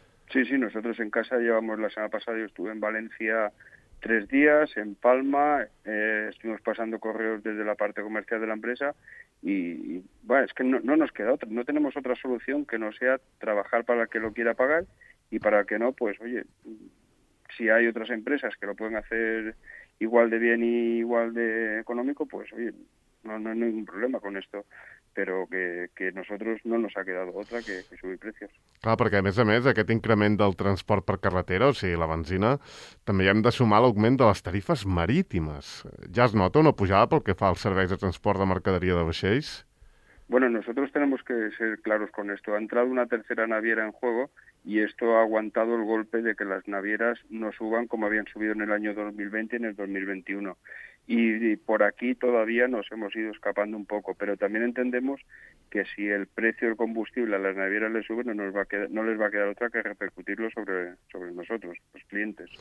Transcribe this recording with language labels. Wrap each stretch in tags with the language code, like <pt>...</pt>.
<es>Sí, nosotros en casa llevamos la semana pasada, yo estuve en Valencia 3 días, en Palma, estuvimos pasando correos desde la parte comercial de la empresa y bueno, es que no nos queda otra, no tenemos otra solución que no sea trabajar para el que lo quiera pagar y para el que no, pues oye, si hay otras empresas que lo pueden hacer igual de bien y igual de económico, pues oye, no hay ningún problema con esto.</es> <ca>Però que nosaltres no ens ha quedat altra que subir preus. Clar, perquè a més aquest increment del transport per carretera, o sigui, la benzina, també hi hem de sumar l'augment de les tarifes marítimes. Ja es nota una pujada pel que fa als serveis de transport de mercaderia de vaixells?</ca> <es>Bueno, nosotros tenemos que ser claros con esto. Ha entrado una tercera naviera en juego y esto ha aguantado el golpe de que las navieras no suban como habían subido en el año 2020 y en el 2021. Y por aquí todavía nos hemos ido escapando un poco, pero también entendemos que si el precio del combustible a las navieras le sube, no les va a quedar otra que repercutirlo sobre nosotros, los clientes.</es>